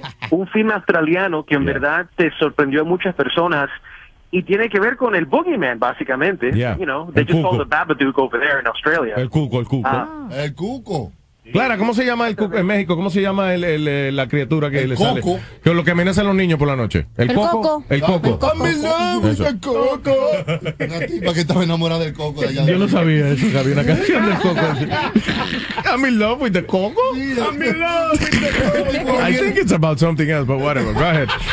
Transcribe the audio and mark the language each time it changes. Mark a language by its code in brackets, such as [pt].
[es] Un film australiano que en verdad te sorprendió a muchas personas y tiene que ver con el boogeyman, básicamente. [en] They just call the Babadook over there in Australia. [es] El cuco. Clara, ¿cómo se llama el cuco en México? ¿Cómo se llama la criatura que el le coco. Sale? Que lo que amenaza a los niños por la noche. El coco. El coco. Una tipa que estaba enamorada del coco de allá. Yo no sabía eso, que había una canción del coco. [en] I'm in love with the coco. I'm in love with the coco. I think it's about something else, but whatever. Go ahead.